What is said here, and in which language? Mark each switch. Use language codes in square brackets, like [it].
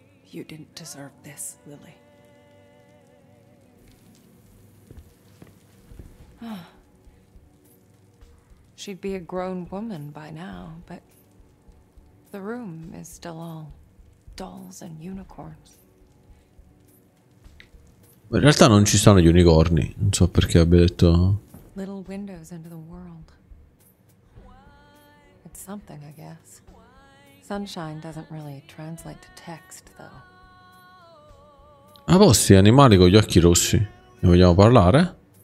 [en] You didn't deserve this, Lily. She'd be a grown woman by now, but the room is still all dolls and unicorns. [it] In realtà non ci sono gli unicorni, non so perché abbia detto. [en] Little windows into the world. It's something, I guess. Sunshine doesn't really translate to text, though. [it] Ah, boh, sì, animali con gli occhi rossi. Ne vogliamo parlare?